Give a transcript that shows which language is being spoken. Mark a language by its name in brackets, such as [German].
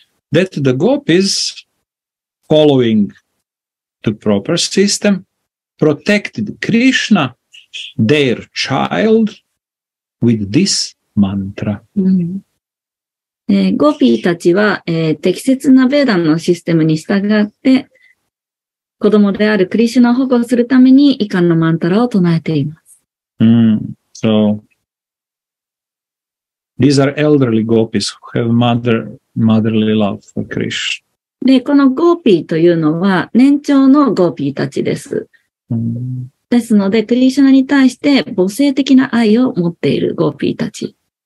[English] That the gopis following the proper system protected Krishna, their child, with this mantra. [Japanese] Gopi たちは適切なベーダのシステムに従って子供であるクリシュナを保護するために以下のマントラを唱えています。 [English] So these are elderly gopis who have motherly love for Krishna. [Japanese] で、このゴーピーというのは年長のゴーピーたちです。ですので、クリシュナに対して母性的な愛を持っているゴーピーたち。